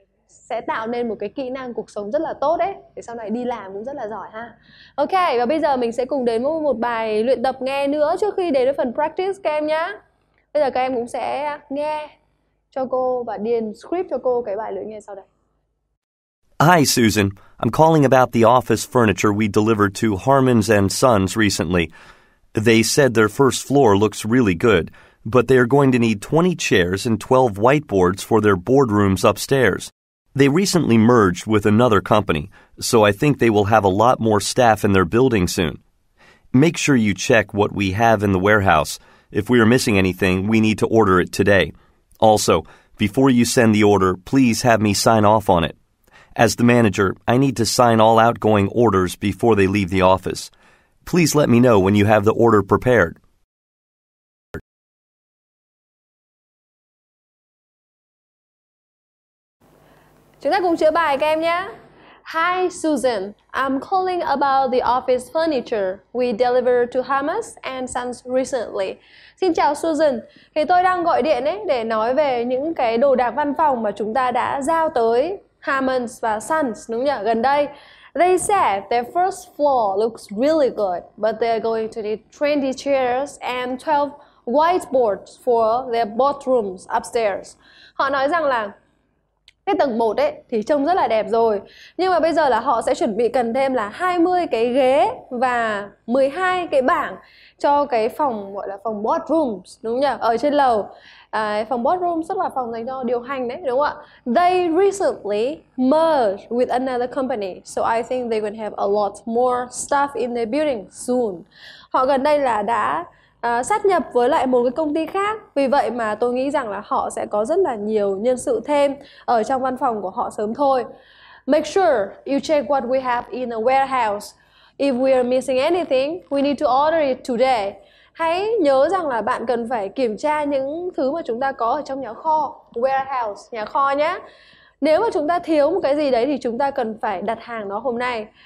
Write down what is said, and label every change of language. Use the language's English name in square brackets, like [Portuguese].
[Vietnamese] sẽ tạo nên một cái kỹ năng cuộc sống rất là tốt đấy, để sau này đi làm cũng rất là giỏi ha. Ok, và bây giờ mình sẽ cùng đến với một bài luyện tập nghe nữa trước khi đến với phần practice các em nhá. Bây giờ các em cũng sẽ nghe cho cô và điền script cho cô cái bài luyện nghe sau đây. [English] Hi Susan, I'm calling about the office furniture we delivered to Harmon's and Sons recently. They said their first floor looks really good, but they are going to need 20 chairs and 12 whiteboards for their boardrooms upstairs. They recently merged with another company, so I think they will have a lot more staff in their building soon. Make sure you check what we have in the warehouse. If we are missing anything, we need to order it today. Also, before you send the order, please have me sign off on it. As the manager, I need to sign all outgoing orders before they leave the office. Please let me know when you have the order prepared. [Vietnamese] Chúng ta cùng chữa bài các em nhé. [English] Hi Susan, I'm calling about the office furniture we delivered to Hamas and Sons recently. [Vietnamese] Xin chào Susan, thì tôi đang gọi điện ấy để nói về những cái đồ đạc văn phòng mà chúng ta đã giao tới Hamas và Sons, đúng nhỉ, gần đây. [English] They said their first floor looks really good, but they're going to need 20 chairs and 12 whiteboards for their boardrooms upstairs. [Vietnamese] Họ nói rằng là cái tầng 1 ấy thì trông rất là đẹp rồi, nhưng mà bây giờ là họ sẽ chuẩn bị cần thêm là 20 cái ghế và 12 cái bảng cho cái phòng gọi là phòng boardrooms, đúng nhỉ, ở trên lầu. Phòng boardroom rất là phòng dành cho điều hành đấy, đúng không ạ? [English] They recently merged with another company, so I think they will have a lot more stuff in their building soon. [Vietnamese] Họ gần đây là đã sát nhập với lại một cái công ty khác, vì vậy mà tôi nghĩ rằng là họ sẽ có rất là nhiều nhân sự thêm ở trong văn phòng của họ sớm thôi. [English] Make sure you check what we have in the warehouse. If we are missing anything, we need to order it today. [Vietnamese] Hãy nhớ rằng là bạn cần phải kiểm tra những thứ mà chúng ta có ở trong nhà kho, warehouse, nhà kho nhé. Nếu mà chúng ta thiếu một cái gì đấy thì chúng ta cần phải đặt hàng nó hôm nay.